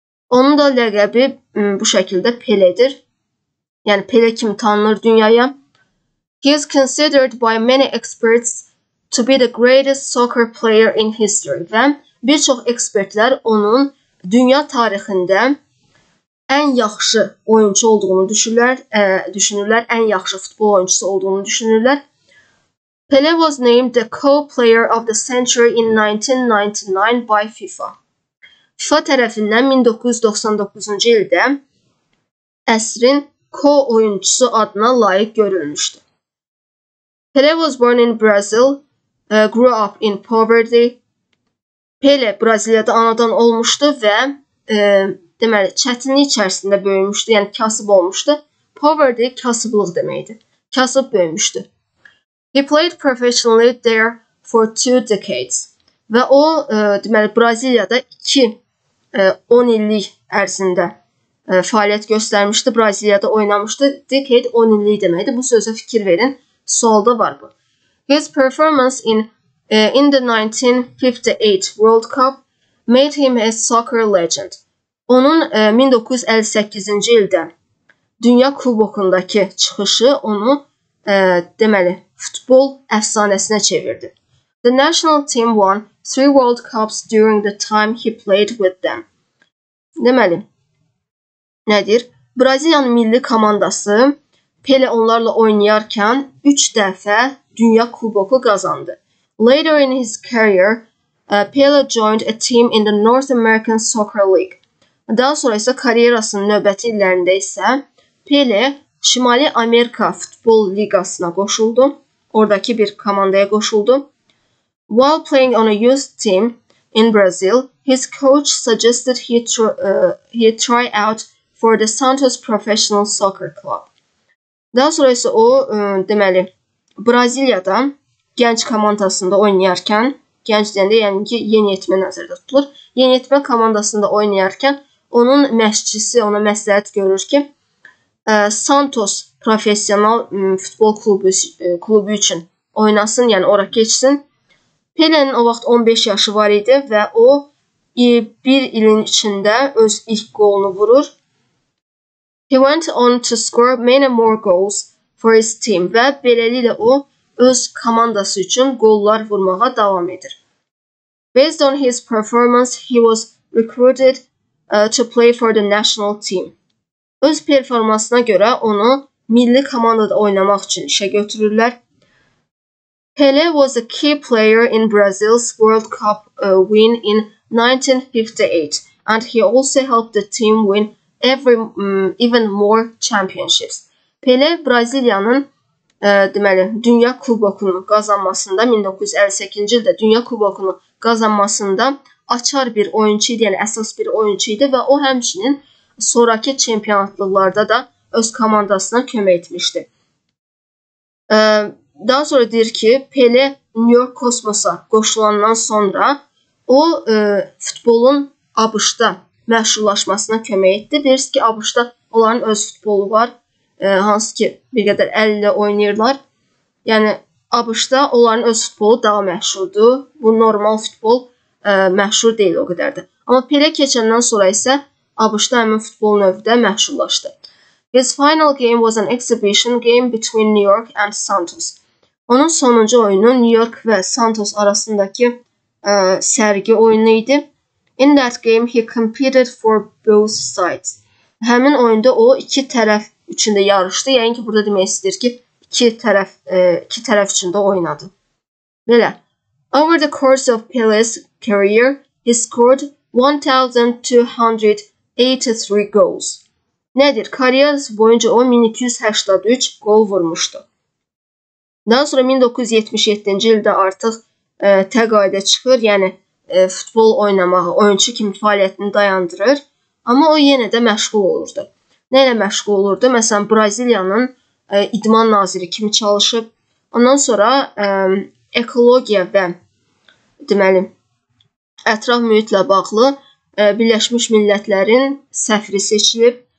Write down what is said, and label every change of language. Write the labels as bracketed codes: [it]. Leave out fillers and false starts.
[az] Onun da ləqəbi bu şəkildə Pele-dir. Yəni, Pele kim tanınır dünyaya? [en] He is considered by many experts to be the greatest soccer player in history. [az] Və bir çox ekspertlər onun dünya tarixində ən yaxşı oyunçu olduğunu düşünürlər, ən yaxşı futbol oyunçusu olduğunu düşünürlər. [en] Pele was named the co-player of the century in 1999 by FIFA. [az] FIFA tərəfindən 1999-cu ildə əsrin co-oyunçusu adına layiq görülmüşdü. [en] Pele was born in Brazil, grew up in poverty. [az] Pele Braziliyada anadan olmuşdu və deməli, çətinlik içərisində böyümüşdü, yəni kasıb olmuşdu. Poverty, kasıblıq deməkdir. Kasıb böyümüşdü. [en] He played professionally there for 2 decades. [az] Və o, deməli, Braziliyada 10 illik ərzində fəaliyyət göstərmişdi. Braziliyada oynamışdı. Decade 10 illik deməkdir. Bu sözə fikir verin. Solda var bu. [en] His performance in the 1958 World Cup made him a soccer legend. [az] Onun 1958-ci ildə Dünya Kubokundakı çıxışı onu, deməli, futbol əfsanəsinə çevirdi. [en] The national team won 3 World Cups during the time he played with them. [az] Deməli, nədir? Braziliyanın milli komandası Pele onlarla oynayarkən 3 dəfə Dünya Kuboku qazandı. [en] Later in his career, Pele joined a team in the North American Soccer League. [az] Daha sonra isə karyerasının növbəti illərində isə Pele Şimali Amerika Futbol Ligasına qoşuldu. Oradakı bir komandaya qoşuldu. [en] While playing on a youth team in Brazil, his coach suggested he try out for the Santos Professional Soccer Club. [az] Daha sonra isə o, deməli, Braziliyada gənc komandasında oynayarkən, gənc deyəndə yəni ki, yeni yetmə nəzərdə tutulur, yeni yetmə komandasında oynayarkən, onun məşqçisi ona məsləhət görür ki, Santos professional futbol klubu üçün oynasın, yəni ora keçsin. Pelənin o vaxt 15 yaşı var idi və o bir ilin içində öz ilk qolunu vurur. [en] He went on to score many more goals for his team [az] və beləliklə o öz komandası üçün qollar vurmağa davam edir. [en] Based on his performance, he was recruited to play for the national team. [az] Öz performansına görə onu milli komandada oynamaq üçün işə götürürlər. [en] Pelé was a key player in Brazil's World Cup win in 1958, and he also helped the team win even more championships. [az] Pelé Brazilya'nın dünya kubokunu kazanmasında 1958-ci ildə dünya kubokunu kazanmasında açar bir oyuncu idi, yəni əsas bir oyuncu idi və o həmçinin sonraki çempionatlarda da öz komandasına kömək etmişdi. Daha sonra deyir ki, Pelé New York Kosmosa qoşulandan sonra o futbolun ABŞ-da məşhurlaşmasına kömək etdi. Deyirsiz ki, ABŞ-da onların öz futbolu var, hansı ki bir qədər əl ilə oynayırlar. Yəni, ABŞ-da onların öz futbolu daha məşhurdur. Bu normal futbol məşhur deyil o qədərdir. Amma Pelé keçəndən sonra isə ABŞ-da həmin futbol növdə məşhurlaşdı. [en] His final game was an exhibition game between New York and Santos. [az] Onun sonuncu oyunu New York və Santos arasındakı sərgi oyunu idi. [en] In that game, he competed for both sides. [az] Həmin oyunda o iki tərəf üçün də yarışdı. Yəni ki, burada demək istəyir ki, iki tərəf üçün də oynadı. Belə. [en] Over the course of Pelé's career, he scored 1,283 goals. [az] Nədir? Kariyerası boyunca o 1283 gol vurmuşdu. Daha sonra 1977-ci ildə artıq təqaüdə çıxır, yəni futbol oynamağı, oyunçu kimi fəaliyyətini dayandırır, amma o yenə də məşğul olurdu. Nə ilə məşğul olurdu? Məsələn, Braziliyanın idman naziri kimi çalışıb, ondan sonra ekologiya və deməli, ətraf mühitlə bağlı Birləşmiş Millətlərin səfiri seçilib.